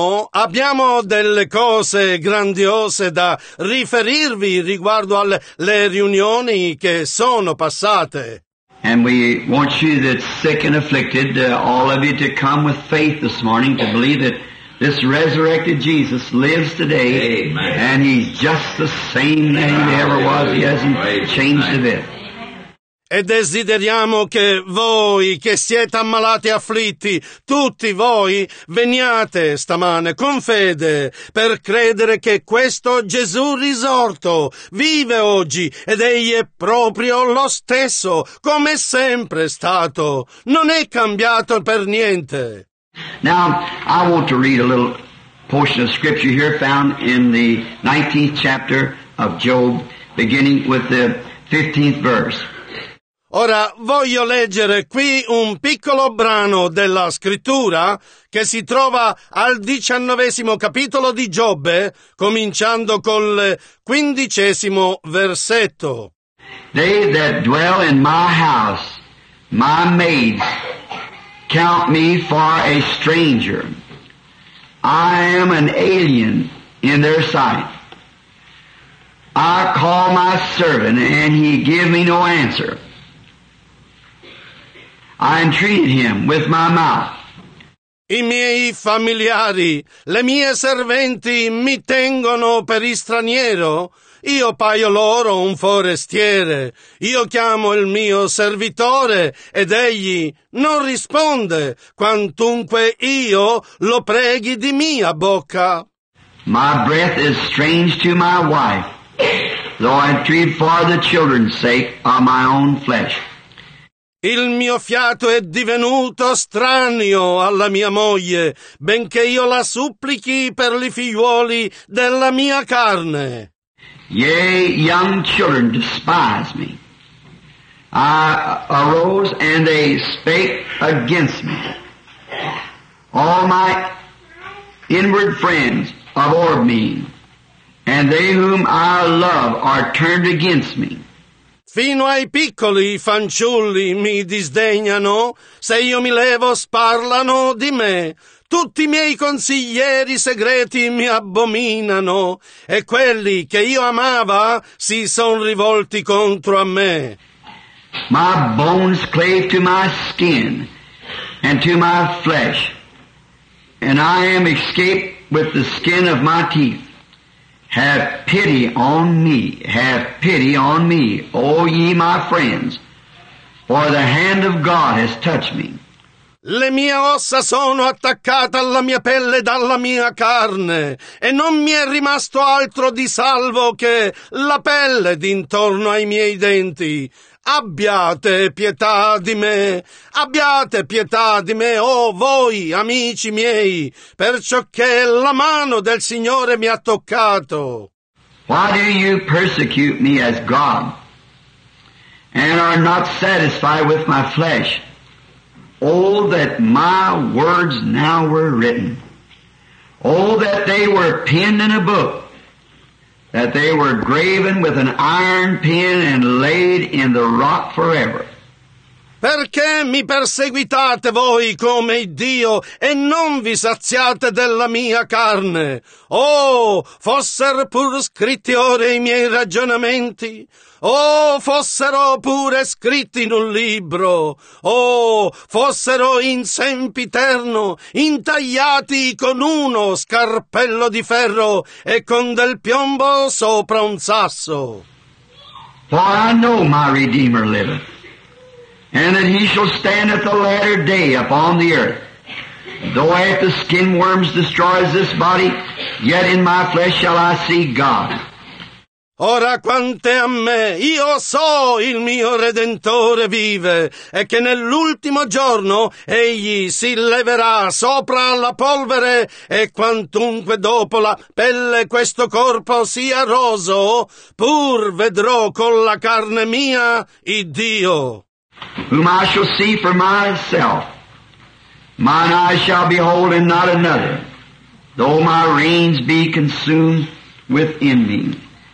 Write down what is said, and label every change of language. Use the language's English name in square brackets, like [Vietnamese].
[Italian] Abbiamo delle cose grandiose da riferirvi riguardo alle riunioni che sono passate. [English] And we want you that's sick and afflicted, all of you to come with faith this morning to believe that this resurrected Jesus lives today. Amen. And he's just the same that he ever was. He hasn't changed a bit. [Italian] E desideriamo che voi, che siete ammalati e afflitti, tutti voi, veniate stamane con fede per credere che questo Gesù risorto vive oggi ed egli è proprio lo stesso, come sempre stato. Non è cambiato per niente. [English] Now, I want to read a little portion of scripture here found in the 19th chapter of Job, beginning with the 15th verse. [Italian] Ora voglio leggere qui un piccolo brano della scrittura che si trova al 19° capitolo di Giobbe, cominciando col 15° versetto. [English] They that dwell in my house, my maids, count me for a stranger. I am an alien in their sight. I call my servant, and he give me no answer. I entreated him with my mouth. [Italian] I miei familiari, le mie serventi mi tengono per straniero. Io paio loro un forestiere. Io chiamo il mio servitore ed egli non risponde, quantunque io lo preghi di mia bocca. [English] My breath is strange to my wife, though I entreat for the children's sake of my own flesh. [Italian] Il mio fiato è divenuto strano alla mia moglie, benché io la supplichi per i figliuoli della mia carne. [English] Yea, young children despise me. I arose and they spake against me. All my inward friends abhor me, and they whom I love are turned against me. [Italian] Fino ai piccoli fanciulli mi disdegnano, se io mi levo sparlano di me. Tutti i miei consiglieri segreti mi abominano, e quelli che io amava si son rivolti contro a me. [English] My bones cleave to my skin and to my flesh, and I am escaped with the skin of my teeth. Have pity on me, have pity on me, O ye my friends, for the hand of God has touched me. [Italian] Le mie ossa sono attaccate alla mia pelle e dalla mia carne, e non mi è rimasto altro di salvo che la pelle d'intorno ai miei denti. Abbiate pietà di me, abbiate pietà di me, o voi, amici miei, perciò che la mano del Signore mi ha toccato. [English] Why do you persecute me as God, and are not satisfied with my flesh? Oh, that my words now were written. Oh, that they were penned in a book. That they were graven with an iron pen and laid in the rock forever. [Italian] Perché mi perseguitate voi come Dio e non vi saziate della mia carne? Oh, fossero pur scritti ora i miei ragionamenti? Oh, fossero pure scritti in un libro? Oh, fossero in sempiterno, intagliati con uno scarpello di ferro e con del piombo sopra un sasso? [English] For I know my Redeemer liveth, and that he shall stand at the latter day upon the earth. Though at the skin worms destroys this body, yet in my flesh shall I see God. [Italian] Ora quante a me, io so il mio Redentore vive, e che nell'ultimo giorno egli si leverà sopra la polvere, e quantunque dopo la pelle questo corpo sia roso, pur vedrò con la carne mia il Dio. [English] Whom I shall see for myself, mine eyes shall behold and not another, though my reins be consumed within me.